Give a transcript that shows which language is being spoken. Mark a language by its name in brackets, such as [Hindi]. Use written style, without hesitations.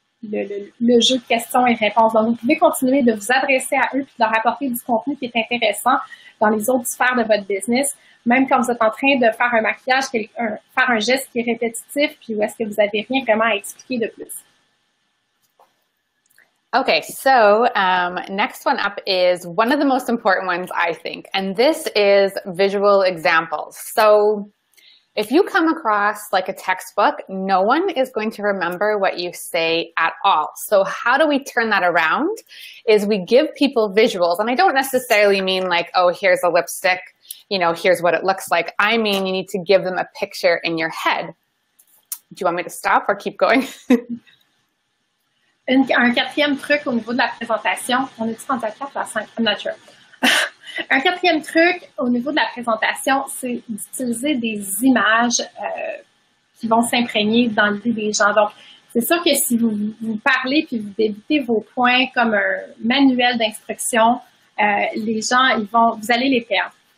[French] le jeu de questions et réponses. Donc, vous pouvez continuer de vous adresser à eux puis de leur apporter du contenu qui est intéressant dans les autres sphères de votre business. Même quand vous êtes en train de faire un maquillage, faire un geste qui est répétitif, puis où est-ce que vous n'avez rien vraiment à expliquer de plus. [English] Okay, so next one up is one of the most important ones, I think, and this is visual examples. So if you come across like a textbook, no one is going to remember what you say at all. So how do we turn that around is we give people visuals, and I don't necessarily mean like, oh, here's a lipstick, you know, here's what it looks like. I mean, you need to give them a picture in your head. Do you want me to stop or keep going? [French] Un quatrième truc au niveau de la présentation, on est-tu rendu à 4 ou à 5? [English] I'm not sure. [French] Un quatrième truc au niveau de la présentation, c'est d'utiliser des images qui vont s'imprégner dans le vie des gens. Donc, c'est sûr que si vous parlez puis vous débitez vos points comme un manuel d'instruction, les gens, vous allez les perdre.